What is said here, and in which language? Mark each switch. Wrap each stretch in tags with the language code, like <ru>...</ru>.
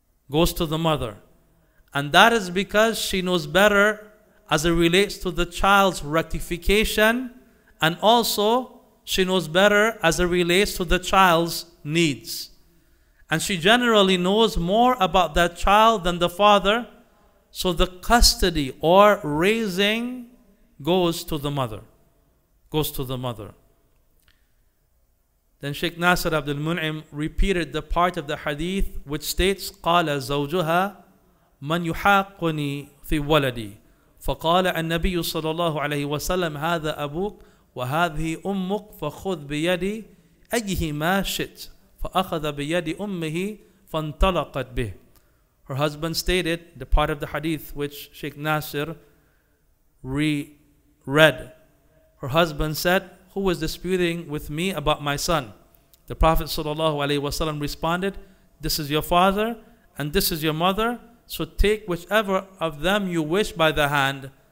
<en>Goes to the mother. And that is because she knows better as it relates to the child's rectification, and also she knows better as it relates to the child's needs. And she generally knows more about that child than the father, so the custody or raising goes to the mother. Goes to the mother.</en> <ar>Then Shaykh Naasir Abdul Mun'im repeated the part of the hadith which states, قَالَ زَوْجُهَا مَنْ يُحَاقُنِي فِي وَلَدِي فَقَالَ النَّبِيُّ صَلَى اللَّهُ عَلَيْهِ وَسَلَّمْ هَذَا أَبُوكُ وَهَذِهِ أُمُّكُ فَخُذْ بِيَدِي أَيِّهِمَا شِتْ فَأَخَذَ بِيَدِي أُمِّهِ فَانْتَلَقَتْ بِهِ.</ar> <en>Her husband stated the part of the hadith which Shaykh Naasir re-read. Her husband said, who is disputing with me about my son? The Prophet sallallahu alaihi wasallam responded, this is your father and this is your mother, so take whichever of them you wish by the hand.</en>